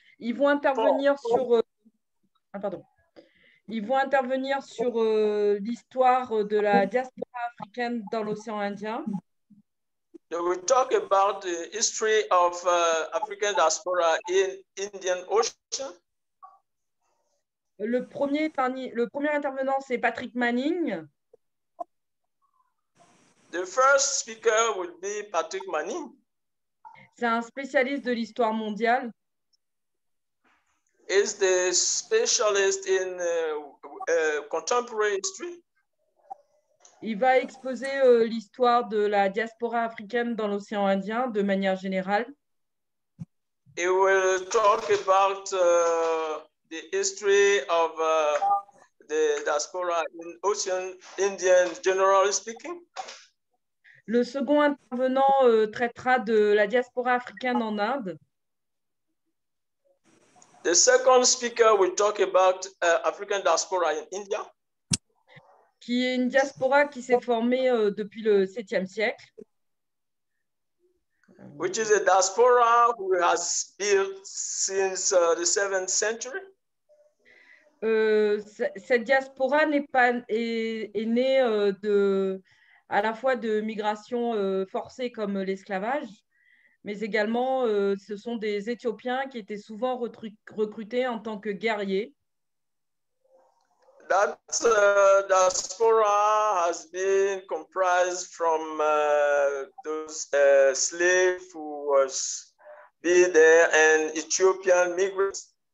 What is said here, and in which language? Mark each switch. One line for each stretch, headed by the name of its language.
French: Ils vont intervenir sur l'histoire de la diaspora africaine dans l'océan Indien.
English: They will talk about the history of African diaspora in Indian Ocean.
French: Le premier intervenant, c'est Patrick Manning.
English: The first speaker will be Patrick Manning.
French: C'est un spécialiste de l'histoire mondiale.
English: Is the specialist in contemporary history.
French: Il va exposer l'histoire de la diaspora africaine dans l'océan Indien de manière générale.
English: He will talk about the history of the diaspora in ocean Indian generally speaking.
French: Le second intervenant traitera de la diaspora africaine en Inde.
English: The second speaker will talk about African diaspora in India.
French: Qui est une diaspora qui s'est formée depuis le 7e siècle.
English: Which is a diaspora who has built since the 7th century.
French: Cette diaspora est née à la fois de migrations forcées comme l'esclavage, mais également ce sont des Éthiopiens qui étaient souvent recrutés en tant que guerriers.
English: That diaspora has been comprised from those slaves who was be there and Ethiopian migrants.